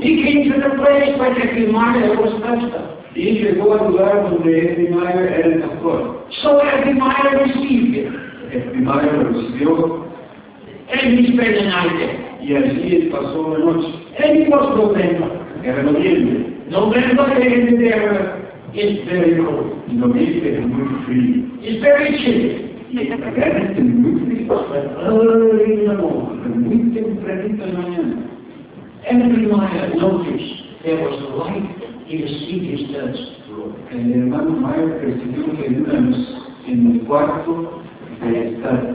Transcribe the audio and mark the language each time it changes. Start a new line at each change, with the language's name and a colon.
English: He came to the place where Jeffrey Meyer was pastor.
Spanish: Y llegó al lugar donde Jeffrey Meyer era el pastor.
English: So Jeffrey Meyer received him.
Spanish: Jeffrey Meyer lo recibió.
English: And he spent the night there.
Spanish: Y allí él pasó la noche.
English: And it was November.
Spanish: Era noviembre.
English: November in there is very cold.
Spanish: Noviembre es muy frío.
English: It's very chilly.
Spanish: Y es muy frío.
English: Early in the morning.
Spanish: Muy tempranito en la mañana.
English: Every Meyer noticed there was a light in the city's third floor.
Spanish: El hermano Meyer percibió que hay una luz en el cuarto de esta.